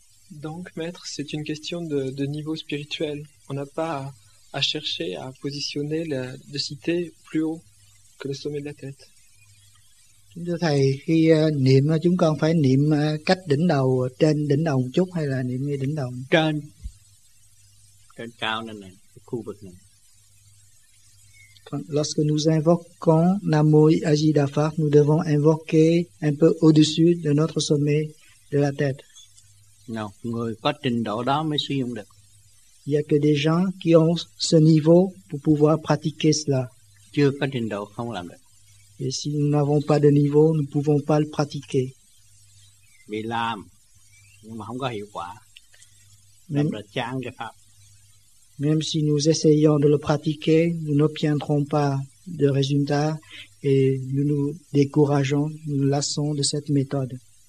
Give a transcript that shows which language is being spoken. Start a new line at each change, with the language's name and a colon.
French: Donc, maître, c'est une question de niveau spirituel. On n'a pas à chercher à positionner la densité plus haut que le sommet de la tête.
Vietnamese: Thưa thầy, khi niệm chúng con phải niệm cách đỉnh đầu, trên đỉnh đầu một chút hay là niệm ngay đỉnh đầu? Trên cao này này, khu vực này.
French: Quand, lorsque nous invoquons Namo Ajida Pha, nous devons invoquer un peu au-dessus de notre sommet de la tête. Non,
Vietnamese: người có trình độ đó mới sử dụng được.
French: Il y a que des gens qui ont ce niveau pour pouvoir pratiquer cela.
Vietnamese: Chưa có trình độ không làm được.
French: Et si nous n'avons pas de niveau, nous ne pouvons pas le pratiquer.
Vietnamese: Bị làm, nhưng mà không có hiệu quả.
French: Même,
Vietnamese: là chán cái pháp.
French: Même si nous essayons de le pratiquer, nous n'obtiendrons pas de résultats et nous nous décourageons, nous lassons de cette méthode.